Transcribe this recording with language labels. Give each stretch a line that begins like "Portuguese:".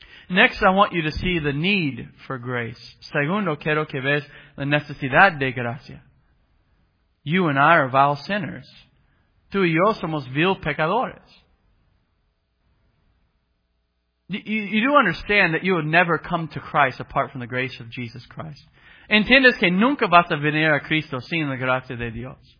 English: Next, I want you to see the need for grace.
Spanish: Segundo, quiero que veas la necesidad de gracia.
English: You and I are vile sinners.
Spanish: Tú y yo somos vil pecadores.
English: You do understand that you would never come to Christ apart from the grace of Jesus Christ.
Spanish: Entiendes que nunca vas a venir a Cristo sin la gracia de Dios.